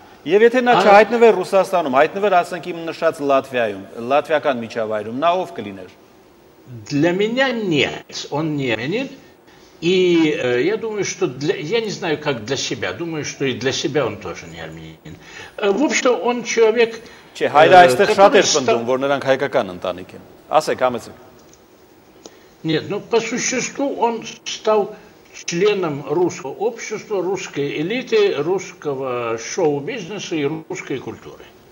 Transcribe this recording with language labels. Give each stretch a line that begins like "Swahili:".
Armenian: Եվ եթե նա չհայտնվեր Ռուսաստանում, հայտնվեր, ասենք, իմ նշած Լատվիայում, լատվիական միջավայրում, նա ով կլիներ?
Russian: Для меня нет, он не армянин. И я думаю, что я не знаю, как для себя, думаю, что и для себя он тоже не армянин. В общем, он человек...
Armenian: Չէ, հայրը այստեղ շատ էր պնդում, որ նրանք հայկական ընտանիք են. Ասեք, համեցեք.
Russian: Нет, ну по существу он стал членом русского общества, русской элиты, русского шоу-бизнеса и русской культуры.